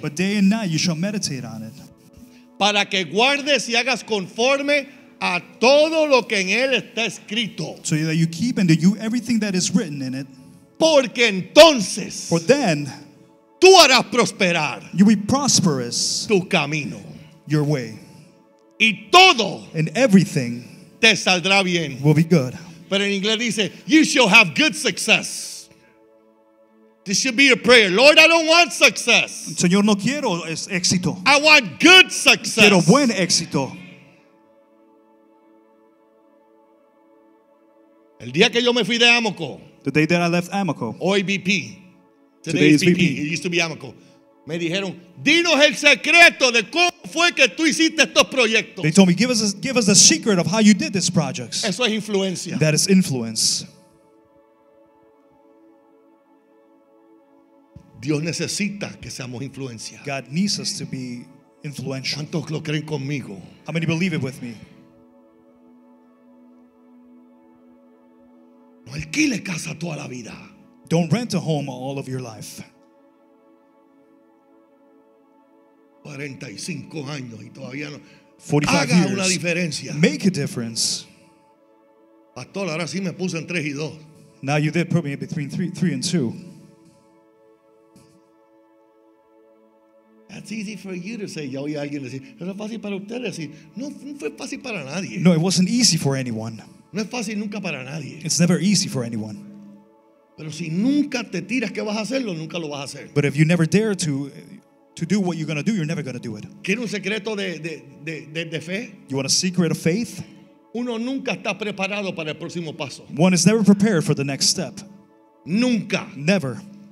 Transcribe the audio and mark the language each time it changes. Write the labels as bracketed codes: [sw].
[en] But day and night you shall meditate on it. [es] Para que guardes y hagas conforme a todo lo que en él está escrito. [en] So that you keep and do everything that is written in it. [es] Porque entonces, [en] for then, [es] tú harás prosperar, [en] you will be prosperous, [es] tu camino, [en] your way, [es] y todo, [en] and everything, [es] te saldrá bien, [en] will be good. [es] Pero en inglés dice, [en] you shall have good success. This should be your prayer. Lord, I don't want success. [es] Señor, no quiero éxito. [en] I want good success. [es] Quiero buen éxito. El día que yo me fui de Amoco. [en] The day that I left Amoco. [es] Hoy [en] BP. Today is BP. It used to be Amoco. [es] Me dijeron, dinos el secreto de cómo fue que tú hiciste estos proyectos. [en] They told me, give us the secret of how you did these projects. [es] Eso es influencia. [en] That is influence. [es] Dios necesita que seamos influencia. [en] God needs us to be influential. [es] ¿Cuántos lo creen conmigo? [en] How many believe it with me? [es] No alquile casa toda la vida. [en] Don't rent a home all of your life. [es] 45 años y todavía no. 45 haga [en] years. [es] Una diferencia. [en] Make a difference. [es] Pastor, ahora sí me puse en 3 y 2. [en] Now you did put me between 3 and 2. That's easy for you to say. [es] Ya oí a alguien decir, no fue fácil para ustedes decir. No, no fue fácil para nadie. [en] No, it wasn't easy for anyone. [es] No es fácil nunca para nadie. [en] It's never easy for anyone. [es] Pero si nunca te tiras que vas a hacerlo, nunca lo vas a hacer. [en] But if you never dare to do what you're going to do, you're never going to do it. [es] ¿Quieres un secreto de fe? [en] You want a secret of faith? [es] Uno nunca está preparado para el próximo paso. [en] One is never prepared for the next step. [es] Nunca. [en] Never.